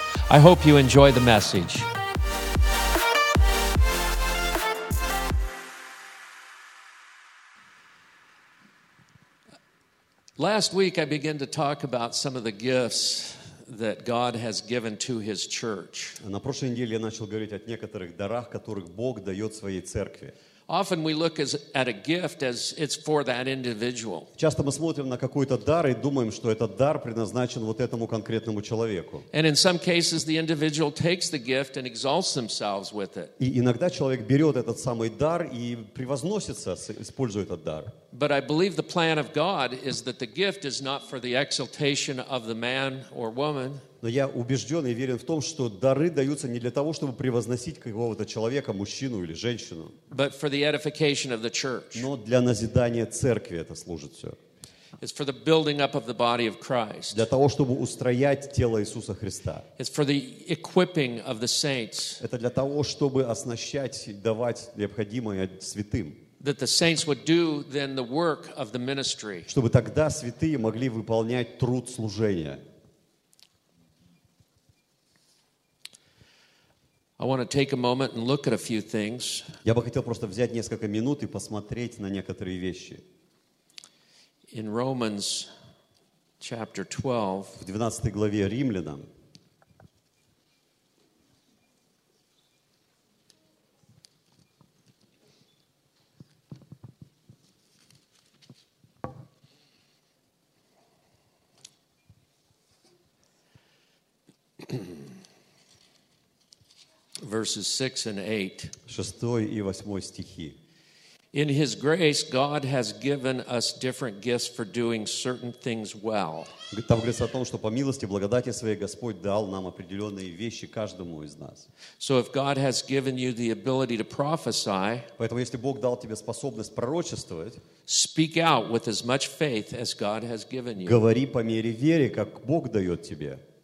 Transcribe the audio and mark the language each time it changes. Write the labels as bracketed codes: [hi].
[en] I hope you enjoy the message. Last week, I began to talk about some of the gifts that God has given to His church. [ru] На прошлой неделе я начал говорить о некоторых дарах, которых Бог дает своей церкви. [en] Often we look at a gift as it's for that individual. [ru] Часто мы смотрим на какой-то дар и думаем, что этот дар предназначен вот этому конкретному человеку. [en] And in some cases the individual takes the gift and exalts themselves with it. [ru] И иногда человек берет этот самый дар и превозносится, используя этот дар. [en] But I believe the plan of God is that the gift is not for the exaltation of the man or woman. [ru] Но я убежден и верен в том, что дары даются не для того, чтобы превозносить какого-то человека, мужчину или женщину. [en] But for the edification of the church. [ru] Но для назидания церкви это служит все. [en] It's for the building up of the body of Christ. [ru] Для того, чтобы устроять тело Иисуса Христа. [en] It's for the equipping of the saints. [ru] Это для того, чтобы оснащать, давать необходимое святым. [en] That the saints would do then the work of the ministry. [ru] Чтобы тогда святые могли выполнять труд служения. [en] I want to take a moment and look at a few things. [ru] Я бы хотел просто взять несколько минут и посмотреть на некоторые вещи. [en] In Romans chapter 12. [ru] В 12 главе Римлянам. [en] Verses 6 and 8. [ru] 6 и 8 стихи. [en] In His grace, God has given us different gifts for doing certain things well. [ru] Там говорится о том, что по милости, благодати своей Господь дал нам определенные вещи каждому из нас. [en] So if God has given you the ability to prophesy, [ru] поэтому если Бог дал тебе способность пророчествовать, [en] speak out with as much faith as God has given you. [ru] Говори по мере веры, как Бог дает тебе.